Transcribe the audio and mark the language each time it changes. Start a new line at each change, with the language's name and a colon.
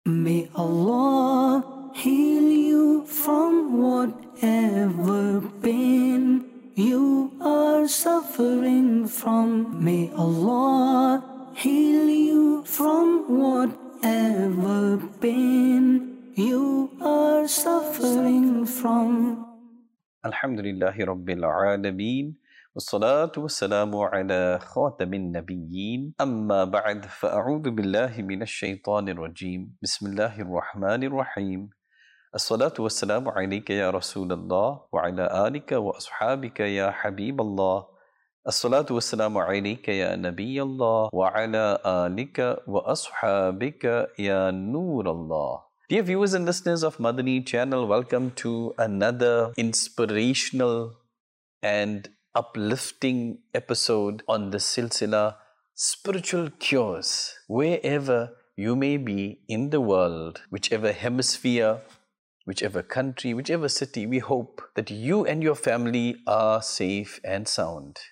English: May Allah heal you from whatever pain you are suffering from. May Allah heal you from whatever pain you are suffering from.
Arabic: Alhamdulillahi Rabbil Alameen. والصلاة والسلام على خاتم النبيين أما بعد فأعوذ بالله من الشيطان الرجيم بسم الله الرحمن الرحيم الصلاة والسلام عليك يا رسول الله وعلى آلك وأصحابك يا حبيب الله الصلاة والسلام عليك يا نبي الله وعلى آلك وأصحابك يا نور الله.
English: Dear viewers and listeners of Madani channel, welcome to another inspirational and uplifting episode on the silsila Spiritual Cures. Wherever you may be in the world, whichever hemisphere, whichever country, whichever city, we hope that you and your family are safe and sound.